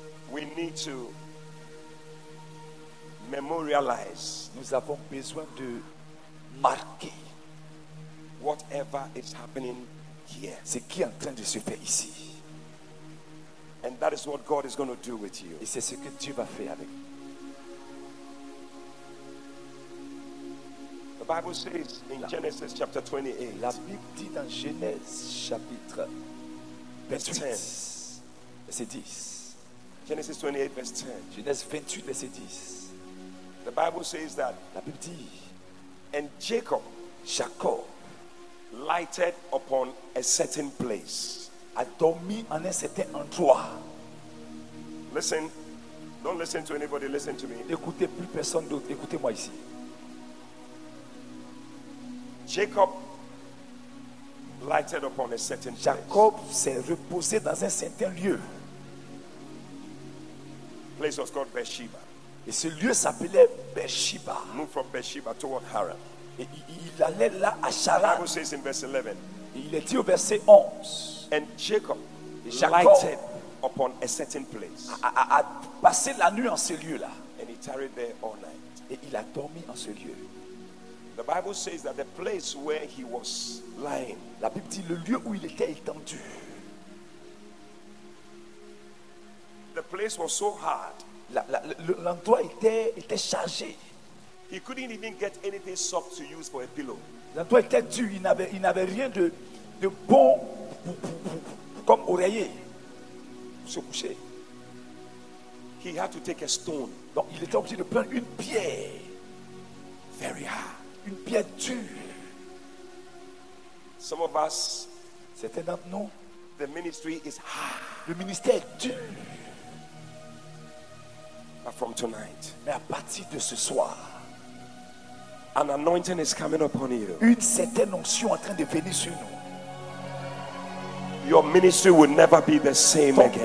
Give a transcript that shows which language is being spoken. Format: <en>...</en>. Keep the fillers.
<en>We need to memorialize.</en> <fr>Nous avons besoin de marquer</fr> <en>whatever is happening here.</en> <fr>Ce qui est en train de se faire ici.</fr> <en>And that is what God is going to do with you.</en> <fr>Et c'est ce que Dieu va faire avec</fr> <en>Bible says in</en> <fr>la,</fr> <en>Genesis chapter 28.</en> <fr>La Bible dit dans Genèse, Genèse chapitre 28, verset 10, 10.</fr> <en>Genesis 28, verse 10.</en> <fr>Genèse 28, verset 10.</fr> <en>The Bible says that.</en> <fr>La Bible dit.</fr> <en>And Jacob, Jacob, lighted upon a certain place.</en> <fr>A dormi en un certain endroit.</fr> <en>Listen. Don't listen to anybody. Listen to me.</en> <fr>N'écoutez plus personne d'autre. Écoutez-moi ici.</fr> <en>Jacob lighted upon a certain place.</en> <fr>Jacob s'est reposé dans un certain lieu.</fr> <en>Place was called Beersheba.</en> <fr>Et ce lieu s'appelait Beersheba.</fr> <en>Move from Beersheba toward Haran.</en> <fr>Il, il allait là à Charan.</fr> <en>Bible says in verse 11.</en> <fr>Et il est dit au verset 11.</fr> <en>And Jacob, lighted Jacob lighted upon a certain place.</en> <fr>A, a, a, passé la nuit en ce lieu-là.</fr> <en>And he tarried there all night.</en> <fr>Et il a dormi en ce lieu.</fr> <en>The Bible says that the place where he was lying,</en> <fr>la Bible dit le lieu où il était étendu.</fr> <en>The place was so hard.</en> <fr>l'endroit le, était, était chargé.</fr> <en>He couldn't even get anything soft to use for a pillow.</en> <fr>L'endroit était dur, il n'avait, il n'avait rien de, de bon comme oreiller pour se coucher.</fr> <en>He had to take a stone.</en> <fr>Donc il était obligé de prendre une pierre.</fr> <en>Very hard.</en> <fr>une pierre dure.</fr> <en>Some of us,</en> <fr>certains d'entre nous,</fr> <en>the ministry is hard.</en> <fr>Ah, Le ministère est dur.</fr> <en>But from tonight,</en> <fr>mais à partir de ce soir,</fr> <en>an anointing is coming upon you.</en> <fr>Une certaine onction en train de venir sur nous.</fr> <en>Your ministry will never be the same again.</en>